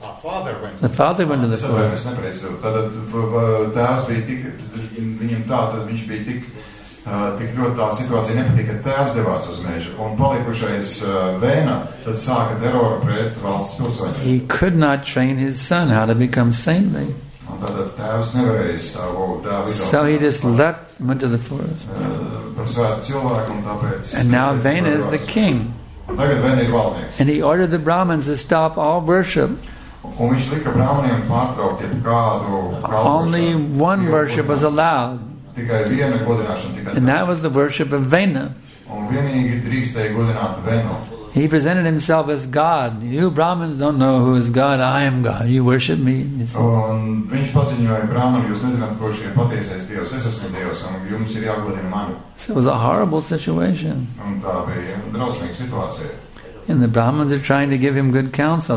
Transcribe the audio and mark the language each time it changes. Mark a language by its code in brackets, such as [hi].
[en] The father went to the forest. He could not train his son how to become saintly. So he just left, went to the forest. [lv] par svētu cilvēku, un tāpēc [en] and now Vena is the king. [lv] Tagad Vena ir valdnieks. [en] And he ordered the Brahmins to stop all worship. [lv] Un viņš lika brāmaniem pārtraukt jeb kādu kalpošanu. [en] Only one worship was allowed. [lv] Tikai viena godināšana tikai. [en] And that was the worship of Vena. [lv] Un vienīgi drīkstēja godināt Venu. [en] He presented himself as God. You Brahmins don't know who is God. I am God. You worship me. So it was a horrible situation. And the Brahmins are trying to give him good counsel.